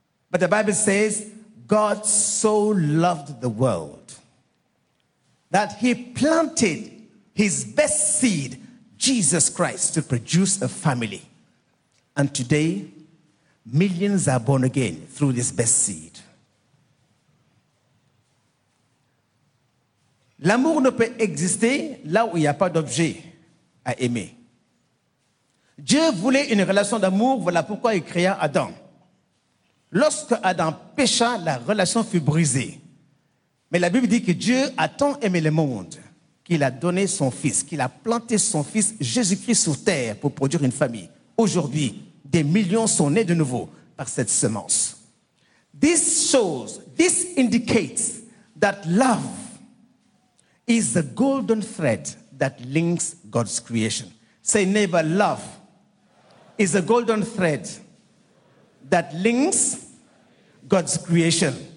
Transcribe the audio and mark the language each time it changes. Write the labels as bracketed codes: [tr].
[en] But the Bible says, God so loved the world that he planted his best seed, Jesus Christ, to produce a family. And today, millions are born again through this best seed. [fr] L'amour ne peut exister là où il n'y a pas d'objet à aimer. Dieu voulait une relation d'amour, voilà pourquoi il créa Adam. Lorsque Adam pécha, la relation fut brisée. Mais la Bible dit que Dieu a tant aimé le monde qu'il a donné son fils, qu'il a planté son fils Jésus-Christ sur terre pour produire une famille. Aujourd'hui, des millions sont nés de nouveau par cette semence. [en] This shows, this indicates that love is the golden thread that links God's creation. Say, neighbor, love is a golden thread that links God's creation.